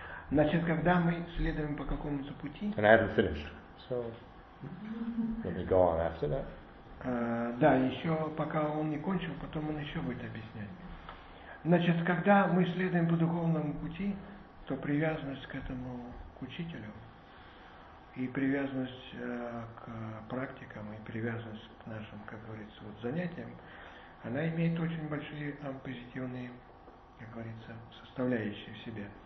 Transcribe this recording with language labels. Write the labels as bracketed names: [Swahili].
[Russian] Значит, когда мы следуем по какому-то пути. [English] And I haven't finished, so let me go on after that. [Russian] Да, еще пока он не кончил, потом он еще будет объяснять. Значит, когда мы следуем по духовному пути, то привязанность к этому, к учителю, и привязанность к практикам, и привязанность к нашим, как говорится, вот занятиям, она имеет очень большие позитивные, как говорится, составляющие в себе.